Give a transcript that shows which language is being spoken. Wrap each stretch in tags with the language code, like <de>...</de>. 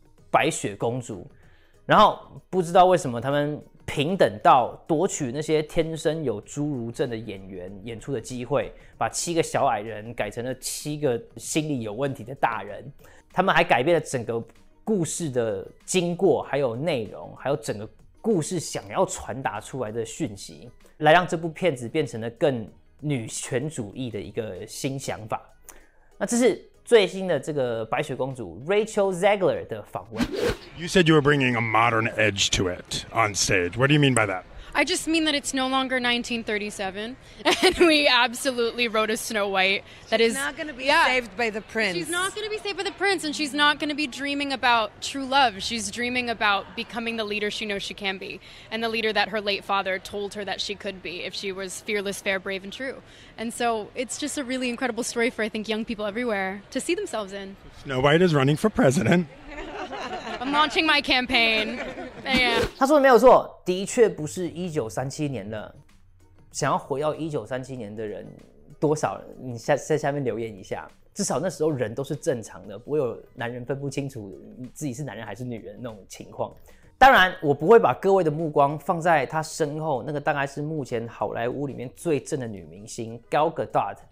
<zh>白雪公主，然后不知道为什么他们平等到夺取那些天生有侏儒症的演员演出的机会，把七个小矮人改成了七个心理有问题的大人，他们还改变了整个故事的经过，还有内容，还有整个故事想要传达出来的讯息，来让这部片子变成了更女权主义的一个新想法。那这是最新的这个白雪公主 Rachel Zegler 的访问。</zh> <en>You said you were bringing a modern edge to it on stage. What do you mean by that? I just mean that it's no longer 1937, and we absolutely wrote a Snow White that she's not going to be saved by the prince. She's not going to be saved by the prince, and she's not going to be dreaming about true love. She's dreaming about becoming the leader she knows she can be, and the leader that her late father told her that she could be if she was fearless, fair, brave, and true. And so it's just a really incredible story for, I think, young people everywhere to see themselves in. Snow White is running for president. I'm launching my campaign.</en> <zh>他说的没有错，的确不是1937年了。想要回到1937年的人多少？你在下面留言一下。至少那时候人都是正常的，不会有男人分不清楚自己是男人还是女人那种情况。当然，我不会把各位的目光放在他身后那个大概是目前好莱坞里面最正的女明星 Gal Gadot。</zh>